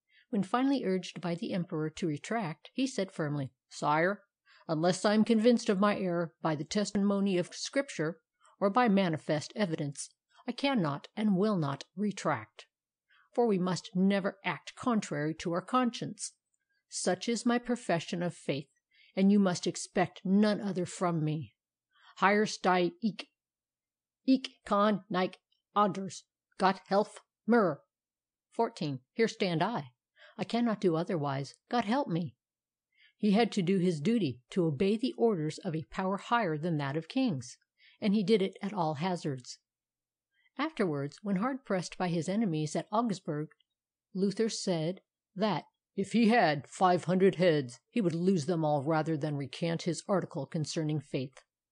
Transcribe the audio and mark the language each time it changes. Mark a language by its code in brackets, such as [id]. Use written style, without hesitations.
[en] When finally urged by the emperor to retract, he said firmly, Sire, unless I am convinced of my error by the testimony of Scripture, or by manifest evidence, I cannot and will not retract, for we must never act contrary to our conscience. Such is my profession of faith, and you must expect none other from me. [de] Hier stei ich kann nicht anders, Gott helf mir. [en] 14. Here stand I. I cannot do otherwise. God help me. He had to do his duty, to obey the orders of a power higher than that of kings, and he did it at all hazards. Afterwards, when hard-pressed by his enemies at Augsburg, Luther said that, if he had 500 heads, he would lose them all rather than recant his article concerning faith.